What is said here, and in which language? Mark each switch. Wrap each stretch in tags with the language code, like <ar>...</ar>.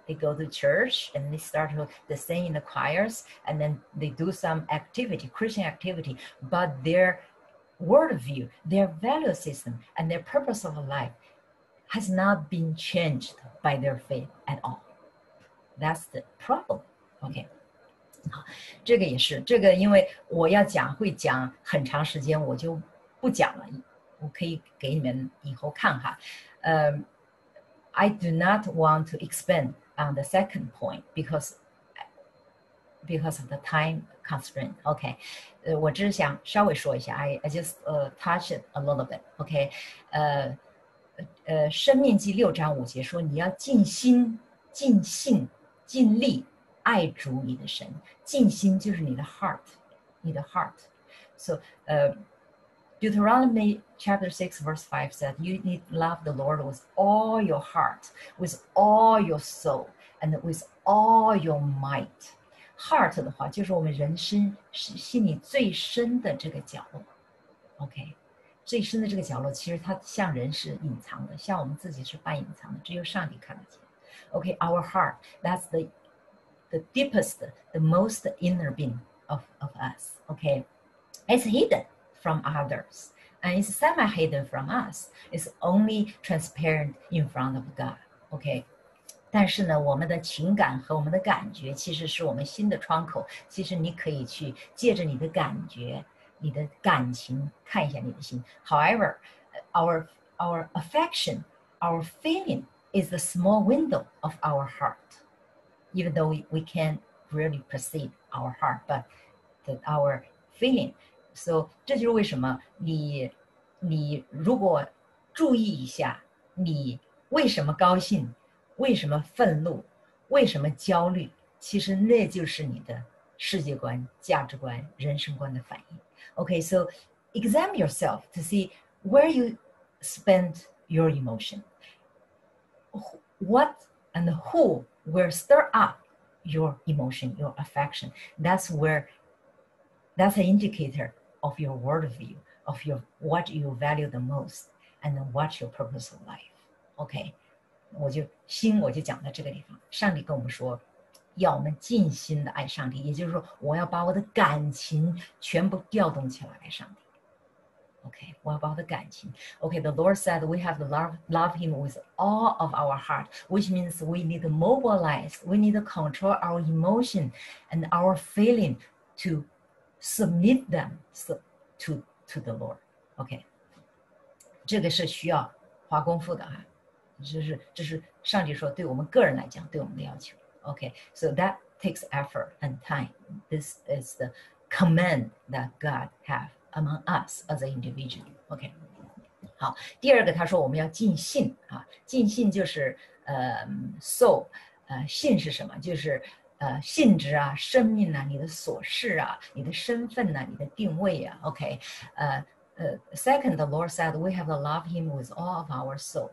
<en>They go to church and they start to sing in the choirs, and then they do some activity, Christian activity, but their worldview, their value system, and their purpose of life has not been changed by their faith at all. That's the problem. Okay.</en> <zh>这个也是，这个因为我要讲会讲很长时间，我就不讲了，我可以给你们以后看哈。</zh> <en>I do not want to expand on the second point because of the time constraint. Okay,</en> <zh>我只想稍微说一下。</zh> <en>I just touch it a little bit.</en> <zh>Okay, 生命记六章五节说你要尽心、尽性、尽力。爱主你的神，尽心就是你的 heart， 你的 heart。</zh> <en>So, Deuteronomy chapter 6 verse 5 said, "You need love the Lord with all your heart, with all your soul, and with all your might."</en> <zh>Heart 的话，就是我们人生是心里最深的这个角落。 OK， 最深的这个角落，其实它像人是隐藏的，像我们自己是半隐藏的，只有上帝看得见。</zh> <en>OK， our heart, that's the deepest, the most inner being of us, okay? It's hidden from others, and it's semi-hidden from us. It's only transparent in front of God, okay?</en> <zh>但是呢，我们的情感和我们的感觉其实是我们心的窗口，其实你可以去借着你的感觉，你的感情，看一下你的心。</zh> <en>However, our affection, our feeling is the small window of our heart. Even though we can't really perceive our heart, but our feeling.</en> <zh>So, 这就是为什么你如果注意一下，你为什么高兴，为什么愤怒，为什么焦虑，其实那就是你的世界观、价值观、人生观的反应。</zh> <en>Okay, so examine yourself to see where you spend your emotion. What and who. Will stir up your emotion, your affection. That's an indicator of your worldview, of your what you value the most, and what's your purpose of life.</en> <zh>Okay, 我就讲到这个地方。上帝跟我们说，要我们尽心的爱上帝，也就是说，我要把我的感情全部调动起来爱上帝。</zh> <en>Okay, what about the 感情? Okay, the Lord said we have to love Him with all of our heart, which means we need to mobilize, we need to control our emotion and our feeling to submit them to the Lord.</en> <zh>Okay, 这个是需要花功夫的啊，这是上帝说对我们个人来讲对我们的要求。</zh> <en>Okay, so that takes effort and time. This is the command that God have. Among us as an individual, okay.</en> <zh>好，第二个他说我们要尽信啊，尽信就是soul， 信是什么？就是性质啊，生命啊，你的琐事啊，你的身份呐、啊，你的定位啊 ，okay.</zh> <en>Second, the Lord said we have to love Him with all of our soul.</en>